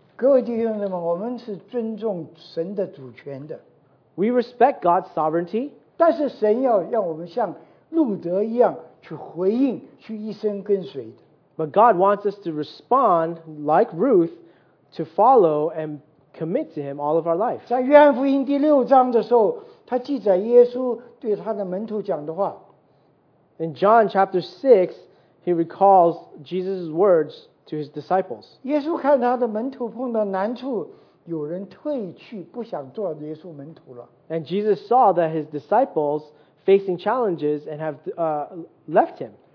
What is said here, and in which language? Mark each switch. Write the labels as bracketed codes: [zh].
[zh] 各位弟兄们，我们是尊重神的主权的。 [en] We respect God's sovereignty. [zh] 但是神要让我们像路德一样去回应，去一生跟随的。 [en] But God wants us to respond like Ruth, to follow and commit to Him all of our life. [zh] 在约翰福音第六章的时候，他记载耶稣对他的门徒讲的话。 [en] In John chapter 6, He recalls Jesus' words to His disciples. [zh] 耶稣看他的门徒碰到难处，有人退去，不想做耶稣门徒了。 [en] And Jesus saw that His disciples facing challenges and have left Him.